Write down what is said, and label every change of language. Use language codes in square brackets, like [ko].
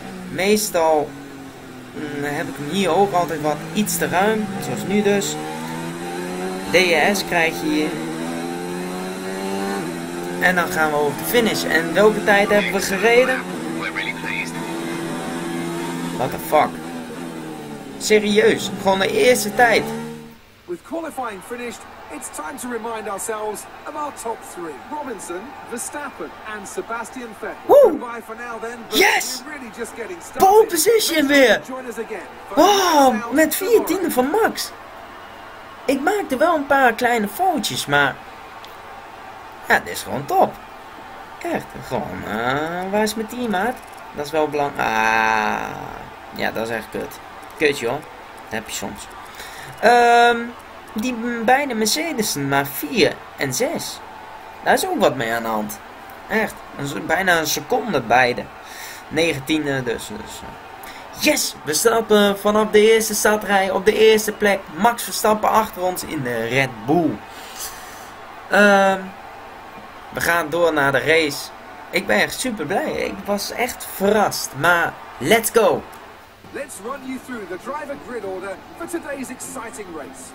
[nl] Meestal heb ik hem hier ook altijd wat iets te ruim, zoals nu dus. DRS krijg je hier. En dan gaan we over de finish. En welke tijd hebben we gereden? [en] What the fuck? [nl] Serieus, gewoon de eerste tijd. [en] With qualifying finished, it's time to remind ourselves of our top 3. Robinson, Verstappen and Sebastian Vettel. Woo! Goodbye for now then. Yes! Really just getting started. [nl] Pole position weer. Wow, met 14e van Max. Ik maakte wel een paar kleine foutjes, maar ja, dit is gewoon top. Echt, gewoon. Waar is mijn teammaat? Dat is wel belangrijk. Ah, ja, dat is echt kut. Kut, joh. Dat heb je soms. Die beide Mercedes'en, maar 4 en 6. Daar is ook wat mee aan de hand. Echt, bijna een seconde beide. 19e dus. Yes, we stappen vanaf de eerste startrij op de eerste plek. Max Verstappen achter ons in de Red Bull. We gaan door naar de race. Ik ben echt super blij. Ik was echt verrast. Maar [en] let's go. Let's run you through the driver grid order for today's exciting race.